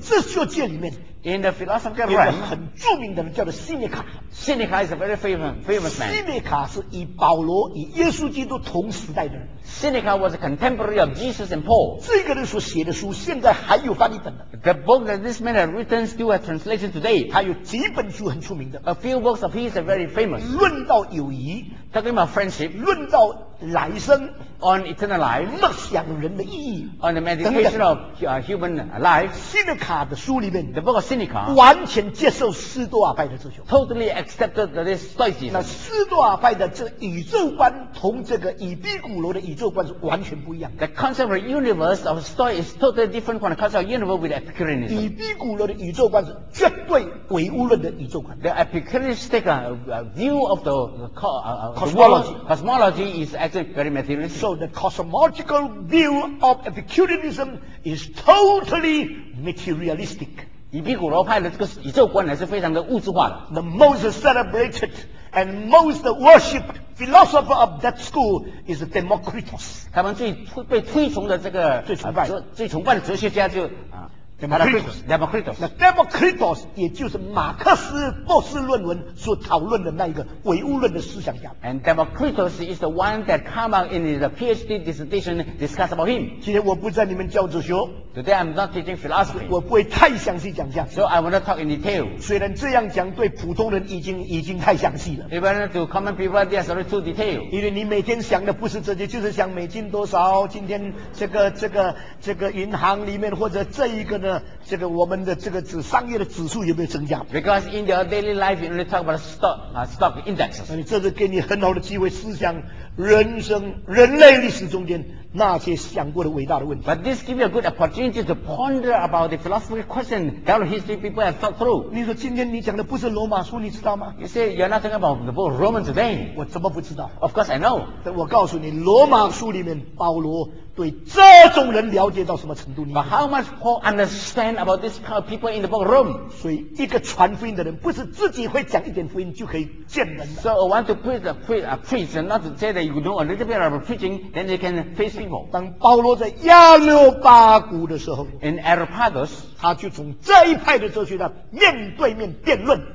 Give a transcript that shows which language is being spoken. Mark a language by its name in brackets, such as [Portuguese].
[Chinese] 哲学界里面， [English] in the philosophical realm， [Chinese] 有一个很著名的人叫做 Seneca。 [English] Seneca is a very famous man。 [Chinese] Seneca 是与保罗、与耶稣基督同时代的人。 [English] Seneca was a contemporary of Jesus and Paul。 [Chinese] 这个人所写的书现在还有翻译本的。 [English] The book that this man has written still has translation today。 [Chinese] 还有几本书很出名的。 [English] A few books of his are very famous。 [Chinese] 论到友谊， [English] talking about friendship。 [Chinese] 论到来生， [English] on eternal life。 [Chinese] 默想人的意义， [English] on the meditation of human life。 [Chinese] Seneca 的书里面， [English] the book of Seneca， [Chinese] 完全接受斯多亚派的哲学。 [English] Totally accepted this Stoicism。 [Chinese] 那斯多亚派的这宇宙观同这个以毕古罗的宇宙观是完全不一样的。 [English] The concept of universe of Stoic is totally different from the concept of universe with Epicureanism。 [Chinese] 以毕古罗的宇宙观是绝对唯物论的宇宙观。 [English] The Epicureanistic view of the cosmology is actually very materialistic。 So the cosmological view of Epicureanism is totally materialistic。 [Chinese] 以毕古罗派的这个宇宙观呢，是非常的物质化的。 [English] The most celebrated and most worshipped philosopher of that school is Democritus. [Chinese] 他们最被推崇的这个最崇拜、最崇拜的哲学家就 Democritus。那 Democritus 也就是马克思博士论文所讨论的那一个唯物论的思想家。 [English] And Democritus is the one that came out in his PhD dissertation discuss about him. [Chinese] 今天我不在你们教哲学。 [English] Today I'm not teaching philosophy. [Chinese] 我不会太详细讲下去。 [English] So I will not talk in detail. [Chinese] 虽然这样讲对普通人已经太详细了。 [English] Even to common people, that's already too detailed. [Chinese] 因为你每天想的不是这些，就是想美金多少，今天这个银行里面或者这一个呢。这个我们的这个商业的指数有没有增加 [English] ？Because in your daily life, you only talk about stock indexes. [Chinese] 你这是给你很好的机会，思想人生、人类历史中间那些想过的伟大的问题。 [English] But this gives you a good opportunity to ponder about the philosophical question that history people have thought through. [Chinese] 你说今天你讲的不是罗马书，你知道吗 [English] ？You say you're not talking about the book Roman today. [Chinese] 我怎么不知道 [English] ？Of course I know. [Chinese] 但我告诉你，罗马书里面保罗。对这种人了解到什么程度呢 [English] ？But how much Paul understand about this kind of people in the book of Rome？ [Chinese] 所以一个传福音的人，不是自己会讲一点福音就可以见人。 [English] So I want to preach, not to say that you know a little bit of preaching, then you can face people. [Chinese] 当保罗在亚六巴谷的时候 [English] ，In Areopagus， [Chinese] 他就从这一派的哲学家面对面辩论。